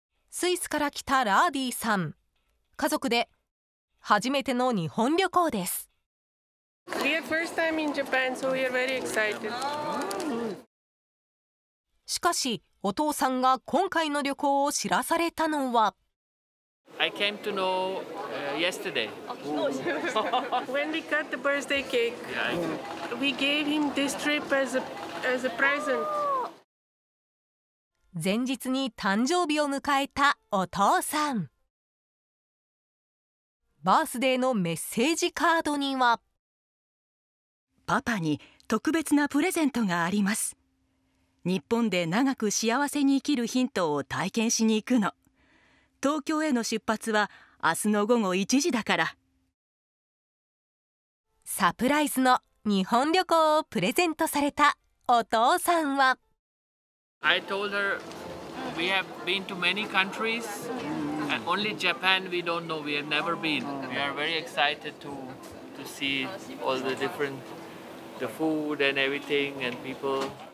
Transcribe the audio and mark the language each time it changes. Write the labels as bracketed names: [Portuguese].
[Japanese] スイスから来たラーディさん、家族で初めての日本旅行です。 [English] We are first time in Japan, so we are very excited. [Japanese] しかしお父さんが今回の旅行を知らされたのは、 [English] I came to know yesterday. When we cut the birthday cake, we gave him this trip as a present. [Japanese] 前日に誕生日を迎えたお父さん。バースデーのメッセージカードにはパパに特別なプレゼントがあります。日本で長く幸せに生きるヒントを体験しに行くの。東京への出発は明日の午後1時だから。サプライズの日本旅行をプレゼントされたお父さんは [English] I told her we have been to many countries and only Japan we don't know, we have never been. We are very excited to see all the different the food and everything and people.